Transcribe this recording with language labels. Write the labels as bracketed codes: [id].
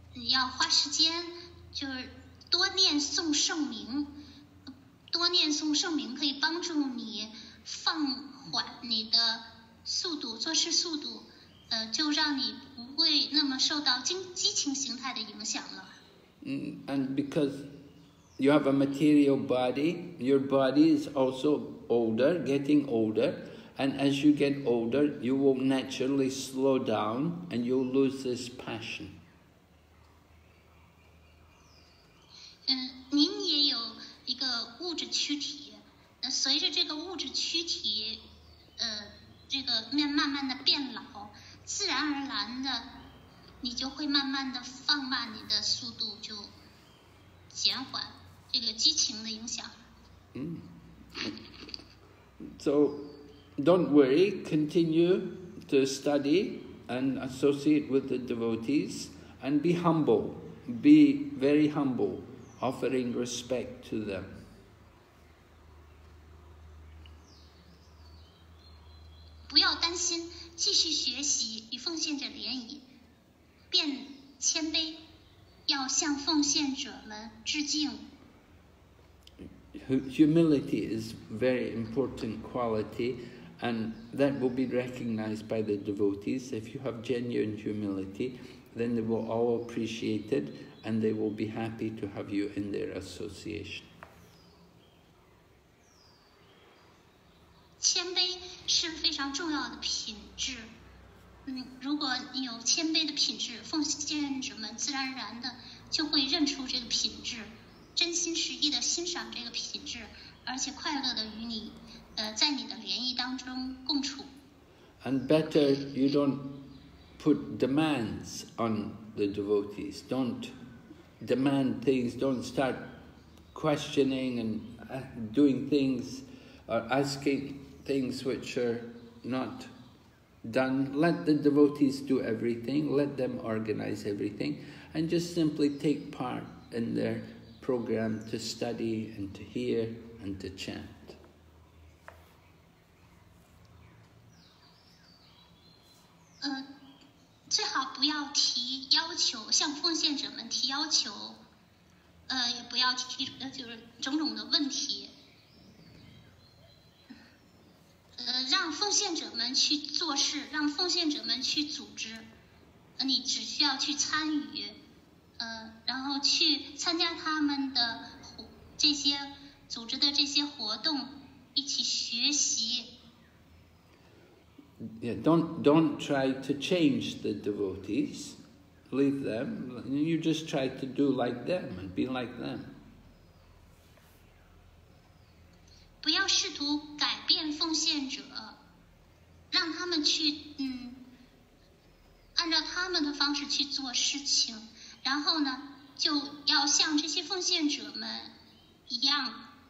[zh] 要花时间，就是多念诵圣名，多念诵圣名可以帮助你放缓你的速度，做事速度，就让你不会那么受到激情形态的影响了。 [en] And because you have a material body, your body is also older, getting older, and as you get older, you will naturally slow down and you'll lose this passion. [zh] 您也有一个物质躯体，那随着这个物质躯体，这个慢慢的变老，自然而然的你就会慢慢的放慢你的速度，就减缓这个激情的影响。 [en] So don't worry, continue to study and associate with the devotees and be humble, be very humble, offering respect to them. [zh] 不要担心，继续学习与奉献者联谊。变谦卑，要向奉献者们致敬。 [en] Humility is very important quality, and that will be recognized by the devotees. If you have genuine humility, then they will all appreciate it, and they will be happy to have you in their association. [zh] 谦卑是非常重要的品质。如果你有谦卑的品质，奉献者们自然而然的就会认出这个品质，真心实意的欣赏这个品质，而且快乐的与你，在你的联谊当中共处。 [en] And better you don't put demands on the devotees. Don't demand things. Don't start questioning and doing things or asking things which are not. Done. Let the devotees do everything, let them organize everything, and just simply take part in their program to study and to hear and to chant. [zh] 最好不要提要求，向奉献者们提要求，也不要提就是种种的问题，让奉献者们去做事，让奉献者们去组织，你只需要去参与，然后去参加他们的这些组织的这些活动，一起学习。 [en] Yeah, don't try to change the devotees, leave them. You just try to do like them and be like them. [zh] 不要试图改变奉献者，让他们去按照他们的方式去做事情，然后呢就要像这些奉献者们一样。